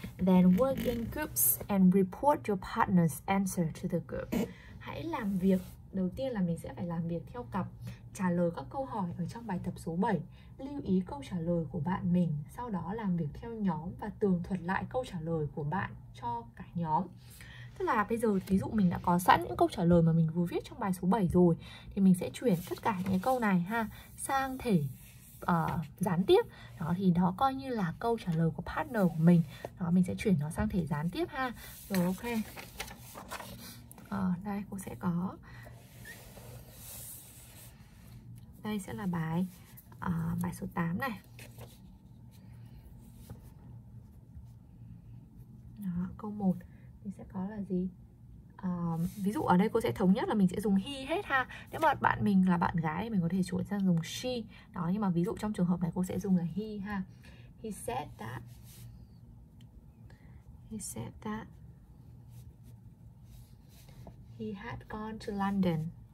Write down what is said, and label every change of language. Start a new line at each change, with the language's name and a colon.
English: Then work in groups and report your partner's answer to the group.
Vietnamese: Hãy làm việc. Đầu tiên là mình sẽ phải làm việc theo cặp, trả lời các câu hỏi ở trong bài tập số 7. Lưu ý câu trả lời của bạn mình, sau đó làm việc theo nhóm và tường thuật lại câu trả lời của bạn cho cả nhóm. Tức là bây giờ ví dụ mình đã có sẵn những câu trả lời mà mình vừa viết trong bài số 7 rồi, thì mình sẽ chuyển tất cả những câu này ha sang thể gián tiếp. Đó thì đó coi như là câu trả lời của partner của mình. Đó, mình sẽ chuyển nó sang thể gián tiếp ha. Rồi, ok. Đây cô sẽ có. Đây sẽ là bài bài số 8 này. Đó, câu 1 mình sẽ có là gì? Ví dụ ở đây cô sẽ thống nhất là mình sẽ dùng he hết ha. Nếu mà bạn mình là bạn gái thì mình có thể chuyển sang dùng she. Đó, nhưng mà ví dụ trong trường hợp này cô sẽ dùng là he ha.
English: He said that he had gone to London.